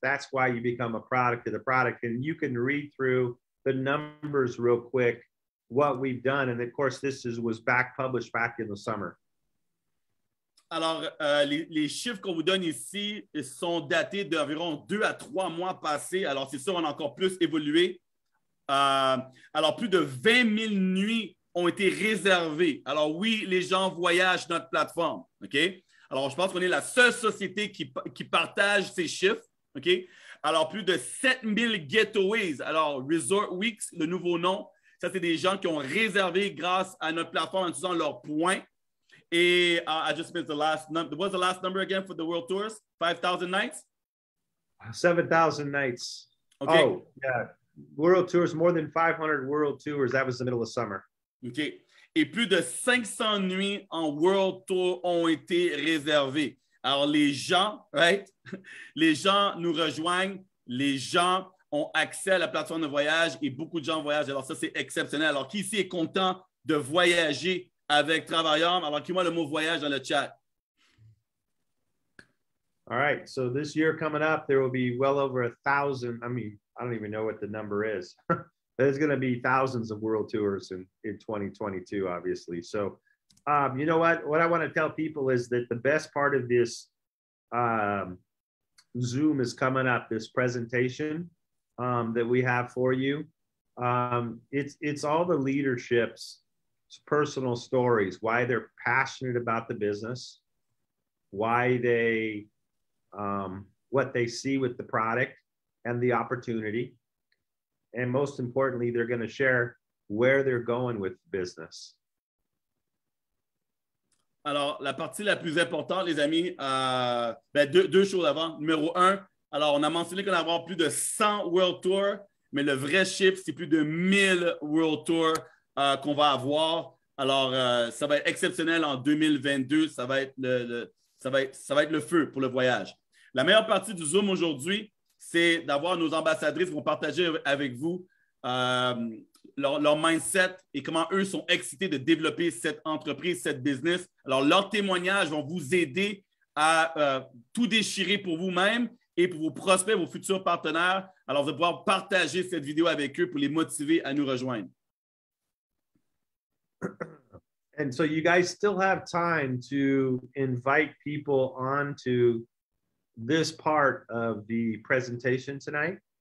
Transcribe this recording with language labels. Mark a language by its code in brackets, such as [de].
[en] That's why you become a product of the product. And you can read through the numbers real quick, what we've done. And of course, this was back published back in the summer. [fr] Alors, les chiffres qu'on vous donne ici sont datés d'environ 2 à 3 mois passés. Alors, c'est sûr, on a encore plus évolué. Alors, plus de 20 000 nuits ont été réservées. Alors, oui, les gens voyagent notre plateforme. OK? Alors, je pense qu'on est la seule société qui partage ces chiffres. OK? Alors, plus de 7 000 getaways. Alors, Resort Weeks, le nouveau nom. Ça, c'est des gens qui ont réservé grâce à notre plateforme en utilisant leurs points. [en] Et I just missed the last number. What's the last number again for the World Tours? 5,000 nights? 7,000 nights. Okay. Oh, yeah. World Tours, more than 500 World Tours. That was the middle of summer. Okay. [fr] Et plus de 500 nuits en World Tour ont été réservées. Alors, les gens, right? Les gens nous rejoignent. Les gens ont accès à la plateforme de voyage et beaucoup de gens voyagent. Alors, ça, c'est exceptionnel. Alors, qui ici est content de voyager avec Travayom? Alors, écris-moi le mot voyage dans le chat. [en] All right. So this year coming up, there will be well over 1,000. I mean, I don't even know what the number is. There's going to be thousands of world tours in 2022, obviously. So, you know what? What I want to tell people is that the best part of this Zoom is coming up, this presentation that we have for you. It's all the leadership's personal stories, why they're passionate about the business, why they, what they see with the product and the opportunity. And most importantly, they're going to share where they're going with business. [fr] Alors, la partie la plus importante, les amis, deux choses avant. Numéro un, alors, on a mentionné qu'on va avoir plus de 100 World Tour, mais le vrai chiffre, c'est plus de 1000 World Tour qu'on va avoir. Alors, ça va être exceptionnel en 2022. Ça va être le feu pour le voyage. La meilleure partie du Zoom aujourd'hui, c'est d'avoir nos ambassadrices qui vont partager avec vous leur mindset et comment eux sont excités de développer cette entreprise, cette business. Alors, leurs témoignages vont vous aider à tout déchirer pour vous-même et pour vos prospects, vos futurs partenaires. Alors, vous allez pouvoir partager cette vidéo avec eux pour les motiver à nous rejoindre. [en] And so you guys still have time to invite people onto this part of the presentation tonight.